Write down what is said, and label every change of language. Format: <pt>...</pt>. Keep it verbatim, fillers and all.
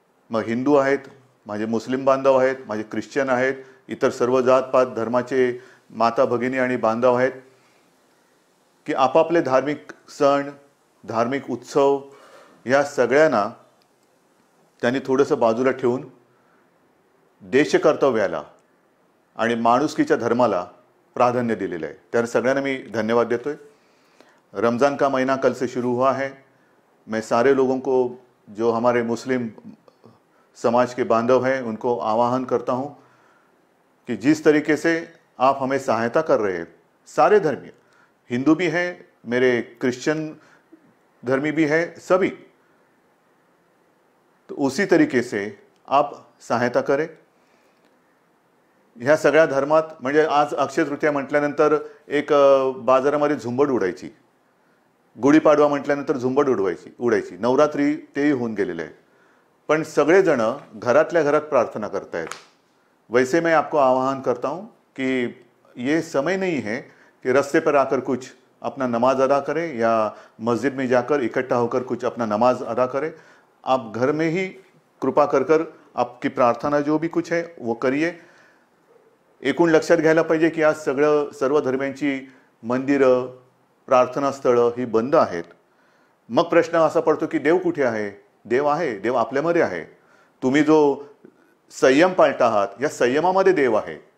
<mr>मग हिंदू आहेत, माझे मुस्लिम बांधव आहेत, माझे ख्रिश्चन आहेत, इतर सर्व जातपात धर्माचे माता भगिनी आणि बांधव आहेत की आपापले धार्मिक सण, धार्मिक उत्सव ह्या सगळ्यांना त्यांनी थोडंसं बाजूला ठेवून देशकर्तव्याला आणि माणुसकीच्या धर्माला प्राधान्य दिलेलं आहे. त्यानं सगळ्यांना मी धन्यवाद देतोय.</mr> <hi>रमज़ान का महीना कल से शुरू हुआ है. मैं सारे लोगों को, जो हमारे मुस्लिम समाज के बांधव हैं, उनको आह्वान करता हूं कि जिस तरीके से आप हमें सहायता कर रहे हैं, सारे धर्मीय, हिंदू भी हैं, मेरे क्रिश्चियन धर्मी भी हैं, सभी, तो उसी तरीके से आप सहायता करें.</hi> <mr>ह्या सगळ्या धर्मात, म्हणजे आज अक्षय तृतीया म्हटल्यानंतर एक बाजारामध्ये झुंबड उडायची, गुढीपाडवा म्हटल्यानंतर झुंबड उडवायची उडायची नवरात्री तेही होऊन गेलेलं आहे, पण सगळेजण घरातल्या घरात प्रार्थना करतायत.</mr> <hi>वैसे मैं आपको आह्वान करता हूँ कि ये समय नहीं है कि रस्ते पर आकर कुछ अपना नमाज अदा करें या मस्जिद में जाकर इकट्ठा होकर कुछ अपना नमाज अदा करें. आप घर में ही कृपा कर कर आपकी प्रार्थना जो भी कुछ है वो करिए.</hi> <mr>एकूण लक्षात घ्यायला पाहिजे की आज सगळं सर्व धर्मांची मंदिरं, प्रार्थनास्थळं ही बंद आहेत. मग प्रश्न असा पडतो की देव कुठे आहे? देव आहे, देव आपल्यामध्ये आहे. तुम्ही जो संयम पाळता आहात या संयमामध्ये देव आहे.</mr>